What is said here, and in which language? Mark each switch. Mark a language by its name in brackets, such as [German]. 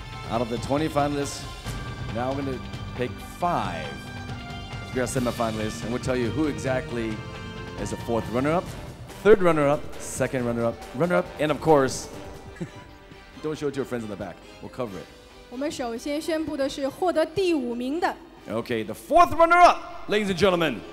[English] Out of the 20 finalists, now we're going to pick five. Our semifinalists, and we'll tell you who exactly is the fourth runner-up, third runner-up, second runner-up, runner-up, and of course, don't show it to your friends in the back. We'll cover it. [Chinese] 我们首先宣布的是获得第五名的。 [English] Okay, the fourth runner-up, ladies and gentlemen.